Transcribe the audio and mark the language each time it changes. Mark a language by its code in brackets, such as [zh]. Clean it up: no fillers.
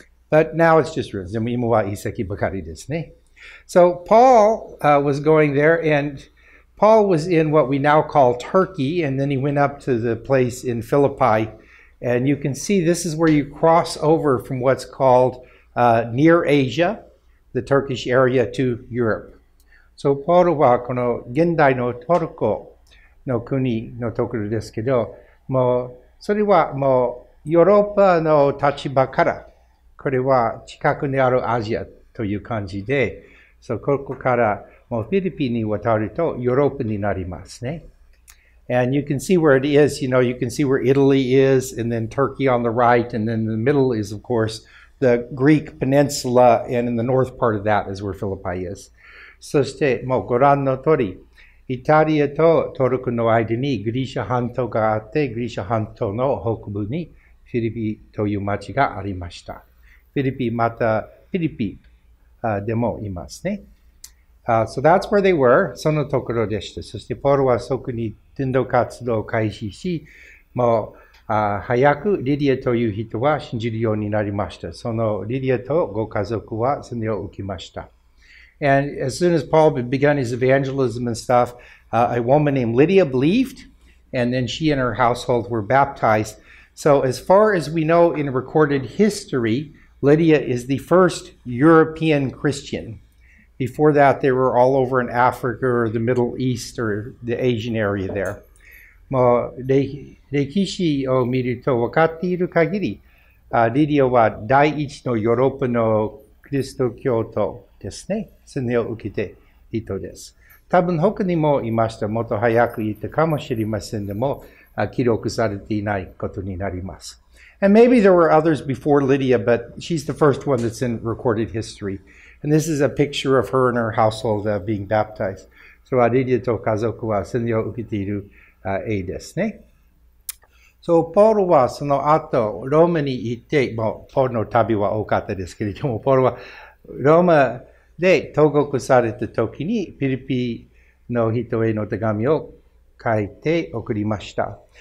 [en] But now it's just ruins. [ja] 今は遺跡ばかりですね。 [en] So, Paul was going there, and Paul was in what we now call Turkey, and then he went up to the place in Philippi,And you can see this is where you cross over from what's called Near Asia, the Turkish area, to Europe. [ja] So, ポールはこの現代のトルコの国のところですけど、もうそれはもうヨーロッパの立場から、これは近くにあるアジアという感じで、そう、ここからもうフィリピンに渡るとヨーロッパになりますね。 [en] And you can see where it is, you know, you can see where Italy is, and then Turkey on the right, and then in the middle is, of course, the Greek peninsula, and in the north part of that is where Philippi is. [ja] そして、もうご覧の通り、イタリアとトルコの間にギリシャ半島があって、ギリシャ半島の北部にフィリピという町がありました。フィリピ、またフィリピでもいますね。 [en] So that's where they were. [ja] そのところでした。そしてポールはそこに伝道活動を開始し、もう早くリディアという人は信じるようになりました。そのリディアとご家族は洗礼を受けました。 [en] And as soon as Paul began his evangelism and stuff, a woman named Lydia believed, and then she and her household were baptized. So as far as we know in recorded history, Lydia is the first European Christian. Before that, they were all over in Africa or the Middle East or the Asian area there. [ja] もう歴史を見ると分かっている限り、リディアは第一のヨーロッパのキリスト教徒ですね。洗礼を受けて人です。多分他にもいました。もっと早く言ったかもしれませんでも、記録されていないことになります。 [en] And maybe there were others before Lydia, but she's the first one that's in recorded history. And this is a picture of her and her household being baptized. [ja] So, Lydia と家族は洗礼を受けている絵ですね。 So, パウロはその後、ローマに行って、もうパウロの旅は多かったですけれども、パウロはローマで投獄されたときに、フィリピの人への手紙を書いて送りました。